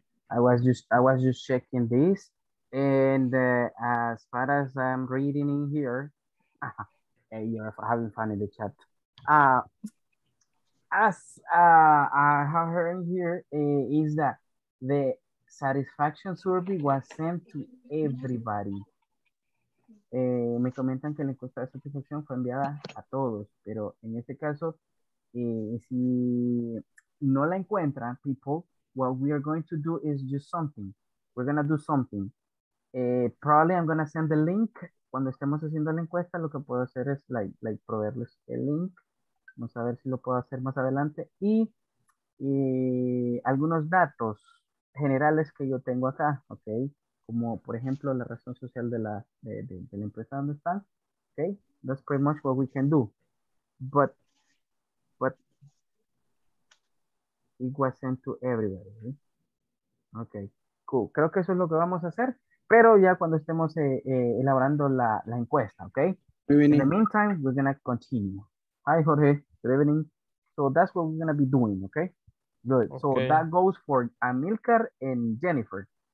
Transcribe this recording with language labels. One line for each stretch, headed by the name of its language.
English: I was just checking this, and as far as I'm reading in here, you're having fun in the chat. I have heard in here is that the satisfaction survey was sent to everybody.
Spanish: Me comentan que la encuesta de satisfacción fue enviada a todos, pero en este caso. Si no la encuentran,
English: people, what we are going to do is just something. We're going to do something. Probably I'm going to send the link.
Spanish: Cuando estemos haciendo la encuesta, lo que puedo hacer es like proveerles el link. Vamos a ver si lo puedo hacer más adelante. Y algunos datos generales que yo tengo acá, ¿ok? Como, por ejemplo, la razón social de la empresa donde están, ¿ok?
English: That's pretty much what we can do. But it was sent to everybody. Ok, cool.
Spanish: Creo que eso es lo que vamos a hacer, pero ya cuando estemos elaborando la encuesta, ok?
English: In the meantime, we're going to continue. Hi, Jorge. Good evening. So that's what we're going to be doing, ok? Good. Okay. So that goes for Amilcar and Jennifer.